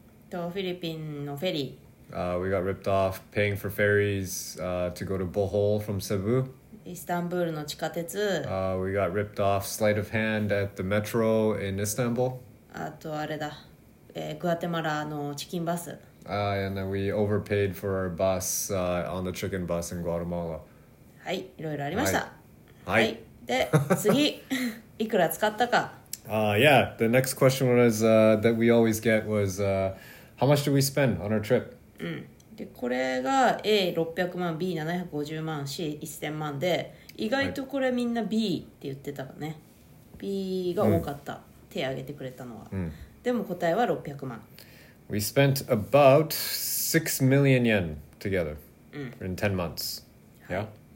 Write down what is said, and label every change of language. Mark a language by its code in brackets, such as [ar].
[ja] とフィリピンのフェリー。 [en] We got ripped off paying for ferries to go to Bohol from Cebu. [ja] イスタンブールの地下鉄。 [en] We got ripped off sleight of hand at the metro in Istanbul. [ja] あとあれだ、グアテマラのチキンバス。 [en] And then we overpaid for our bus on the chicken bus in Guatemala. [ja] はい、いろいろありました。はい。はい、で、次、いくら使ったか。 [en] Yeah, the next question was, that we always get was, how much do we spend on our trip? うん。 [ja] で、これが A600 万、B750 万、C1000 万で、意外とこれみんな B って言ってたからね。 B が多かった。うん、手挙げてくれたのは。うん、でも答えは600万。 [en] We spent about 6 million yen together、in 10 months. Yeah.